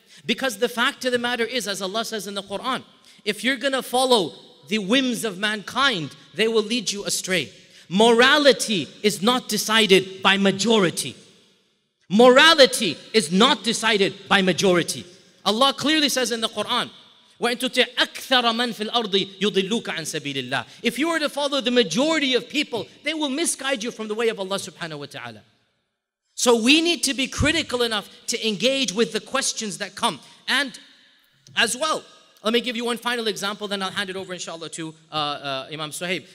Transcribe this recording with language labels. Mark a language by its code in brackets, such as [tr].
[en] Because the fact of the matter is, as Allah says in the Quran, if you're going to follow the whims of mankind, they will lead you astray. Morality is not decided by majority. Morality is not decided by majority. Allah clearly says in the Quran, [ar] وَإِن تُطِعْ أَكْثَرَ مَن فِي الْأَرْضِ يُضِلُّكَ عَن سَبِيلِ اللَّهِ. [en] If you were to follow the majority of people, they will misguide you from the way of Allah subhanahu wa ta'ala. So we need to be critical enough to engage with the questions that come. And as well, let me give you one final example, then I'll hand it over inshallah to Imam Suhaib.